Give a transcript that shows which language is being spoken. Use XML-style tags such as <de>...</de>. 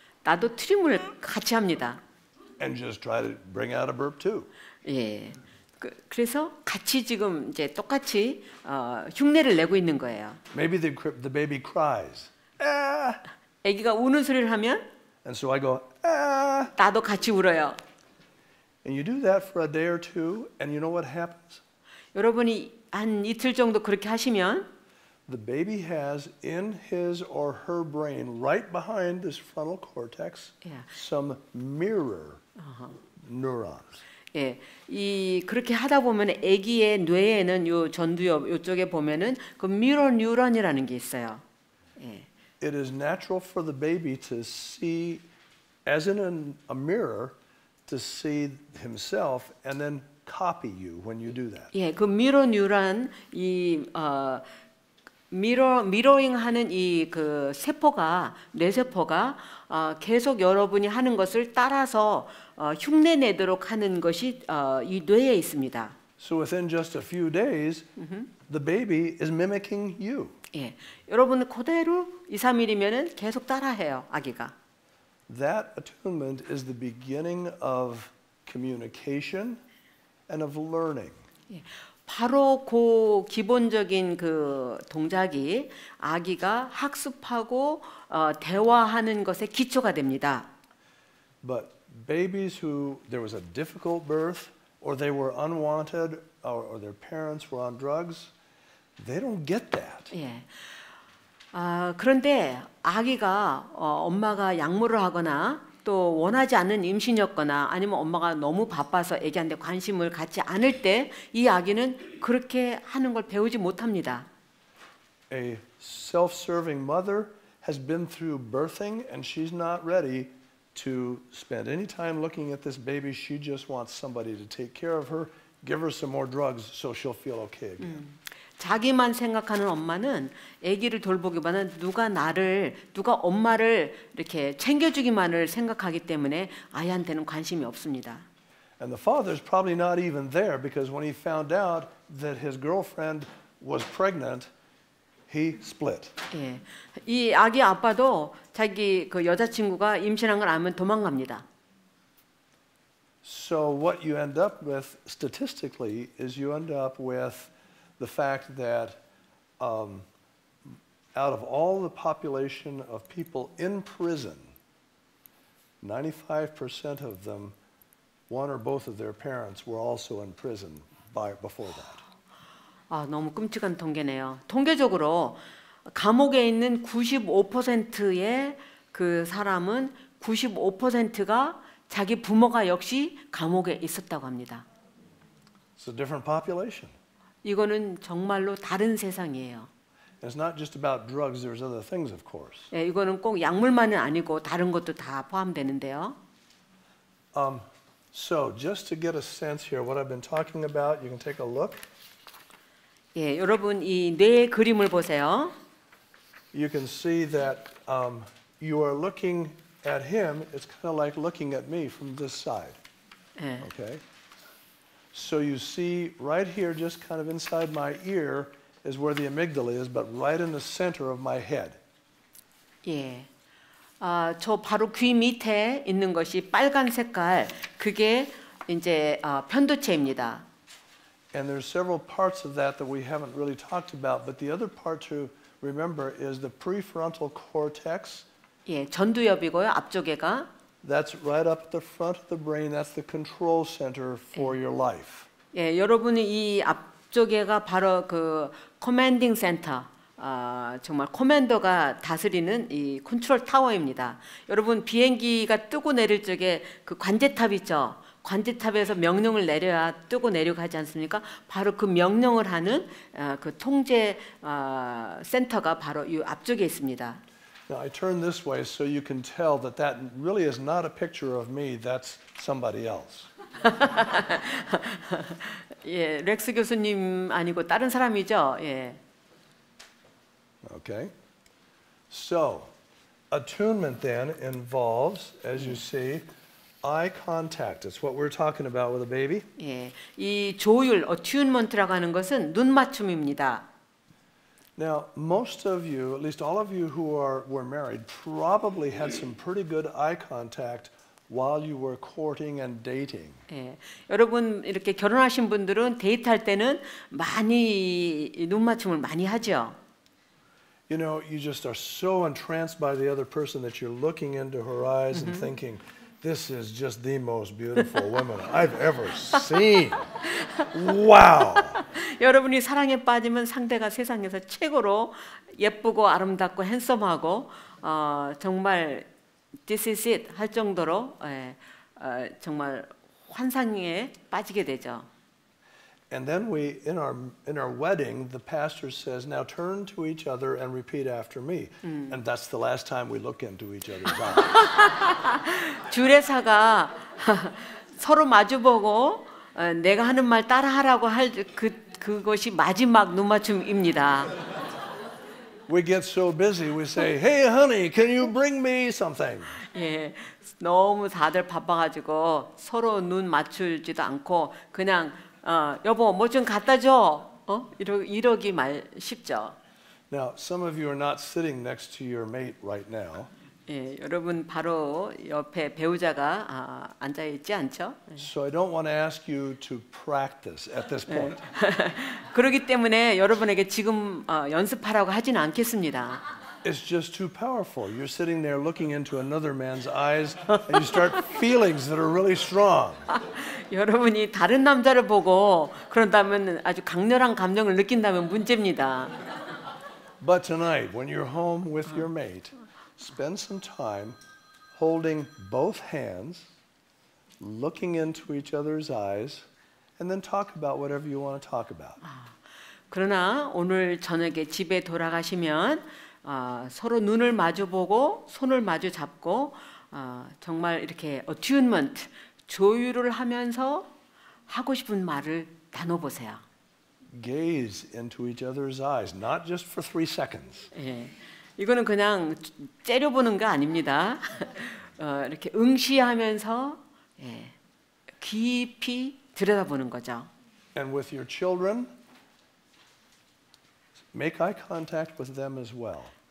<ko>나도 트림을 같이 합니다.</ko> <en>And just try to bring out a burp too.</en> <ko>예. 그래서 같이 지금 이제 똑같이 흉내를 내고 있는 거예요.</ko> <en>Maybe the baby cries.</en> <ko>아기가 우는 소리를 하면</ko> <en>And so I go,</en> <ko>나도 같이 울어요.</ko> <en>And you do that for a day or two, and you know what happens?</en> <ko>여러분이 한 이틀 정도 그렇게 하시면</ko> <en>The baby has in his or her brain, right behind this frontal cortex, some mirror neurons.</en> <ko>예, 이 그렇게 하다 보면 아기의 뇌에는 요 전두엽 요쪽에 보면은 그 미러 뉴런이라는 게 있어요. 예.</ko> <en>It is natural for the baby to see, as in a mirror, to see himself and then copy you when you do that.</en> <ko>예, 그 미러 뉴런 이 미러잉 하는 이 그 세포가 뇌세포가 계속 여러분이 하는 것을 따라서 흉내 내도록 하는 것이 이 뇌에 있습니다.</ko> <en>So within just a few days, the baby is mimicking you.</en> <ko>예, 여러분 그대로 2, 3일이면은 계속 따라해요, 아기가.</ko> <en>That attunement is the beginning of communication and of learning.</en> <ko>예. 바로 그 기본적인 그 동작이 아기가 학습하고 대화하는 것의 기초가 됩니다.</ko> <en>But babies who there was a difficult birth or they were unwanted or their parents were on drugs, they don't get that.</en> <ko>예. 그런데 아기가 엄마가 약물을 하거나 또 원하지 않는 임신이었거나 아니면 엄마가 너무 바빠서 아기한테 관심을 갖지 않을 때 이 아기는 그렇게 하는 걸 배우지 못합니다.</ko> <en>A self-serving mother has been through birthing and she's not ready to spend any time looking at this baby. She just wants somebody to take care of her, give her some more drugs so she'll feel okay again.</en> <ko>자기만 생각하는 엄마는 아기를 돌보기보다는 누가 엄마를 이렇게 챙겨주기만을 생각하기 때문에 아이한테는 관심이 없습니다.</ko> <en>And the father's probably not even there because when he found out that his girlfriend was pregnant, he split.</en> <ko>예, 이 아기 아빠도 자기 그 여자친구가 임신한 걸 알면 도망갑니다.</ko> <en>So what you end up with statistically is you end up with the fact that out of all the population of people in prison, 95% of them, one or both of their parents were also in prison before that.</en> <ko>아, 너무 끔찍한 통계네요. 통계적으로 감옥에 있는 95%의 그 사람은 95%가 자기 부모가 역시 감옥에 있었다고 합니다.</ko> <en>It's a different population.</en> <ko>이거는 정말로 다른 세상이에요.</ko> <en>It's not just about drugs, there's other things, of course.</en> <ko>예, 이거는 꼭 약물만은 아니고 다른 것도 다 포함되는데요.</ko> <en>So just to get a sense here what I've been talking about, you can take a look.</en> <ko>예, 여러분 이 뇌의 그림을 보세요.</ko> <en>You can see that you are looking at him. It's kind of like looking at me from this side.</en> <ko>예.</ko> <en>Okay. So you see right here, just kind of inside my ear, is where the amygdala is, but right in the center of my head.</en> <ko>예, 저 바로 귀 밑에 있는 것이 빨간 색깔, 그게 이제 편도체입니다.</ko> <en>And there's several parts of that that we haven't really talked about, but the other part to remember is the prefrontal cortex.</en> <ko>예, 전두엽이고요, 앞쪽에가.</ko> <en>That's right up at the front of the brain. That's the control center for your life.</en> <ko>예, 여러분이 이 앞쪽에가 바로 그</ko> <en>commanding center,</en> <ko>정말 커맨더가 다스리는 이 컨트롤 타워입니다. 여러분 비행기가 뜨고 내릴 적에 그 관제탑이죠. 관제탑에서 명령을 내려야 뜨고 내려가지 않습니까? 바로 그 명령을 하는 그 통제 센터가 바로 이 앞쪽에 있습니다.</ko> <en>Now I turn this way so you can tell that that really is not a picture of me. That's somebody else.</en> <ko>예, 렉스 교수님 아니고 다른 사람이죠. 예.</ko> <en>Okay. So, attunement then involves, as you see, eye contact. It's what we're talking about with a baby.</en> <ko>예, 이 조율, attunement라고 하는 것은 눈 맞춤입니다.</ko> <en>Now, most of you, at least all of you who are were married, probably had some pretty good eye contact while you were courting and dating.</en> <ko>예, 여러분 이렇게 결혼하신 분들은 데이트할 때는 많이 눈 맞춤을 많이 하죠.</ko> <en>You know, you just are so entranced by the other person that you're looking into her eyes and thinking, this is just the most beautiful woman I've ever seen. Wow.</en> <ko>여러분이 사랑에 빠지면 상대가 세상에서 최고로 예쁘고 아름답고 핸섬하고 정말</ko> <en>this is it</en> <ko>할 정도로 정말 환상에 빠지게 되죠.</ko> <en>And then we in our wedding the pastor says now turn to each other and repeat after me. And that's the last time we look into each other's eyes.</en> <ko>주례사가 서로 마주 보고 내가 하는 말 따라하라고 할 그것이 마지막 눈 맞춤입니다.</ko> <en>We get so busy we say hey honey can you bring me something.</en> <ko>예, 너무 다들 바빠 가지고 서로 눈 맞추지도 않고 그냥 여보 뭐 좀 갖다 줘. 이러기 말 쉽죠.</ko> <en>Now, some of you are not sitting next to your mate right now.</en> <ko>예, 여러분 바로 옆에 배우자가 앉아 있지 않죠?</ko> <en>So I don't want to ask you to practice at this point.</en> <ko>예. 그러기 때문에 여러분에게 지금 연습하라고 하진 않겠습니다.</ko> <en>It's just too powerful. You're sitting there looking into another man's eyes and you start feelings that are really strong.</en> <ko>여러분이 다른 남자를 보고 그런다면 아주 강렬한 감정을 느낀다면 문제입니다.</ko> <en>But tonight, when you're home with your mate, spend some time holding both hands, looking into each other's eyes, and then talk about whatever you want to talk about.</en> <ko>그러나 오늘 저녁에 집에 돌아가시면 서로 눈을 마주 보고 손을 마주 잡고 정말 이렇게 attunement 조율을 하면서 하고 싶은 말을 나눠 보세요.</ko> <en>Gaze into each other's eyes, not just for 3 seconds.</en> <ko>예, 이거는 그냥 째려보는 거 아닙니다. 이렇게 응시하면서 예, 깊이 들여다보는 거죠.</ko> <en>And with your children, make eye contact with them as well.</en>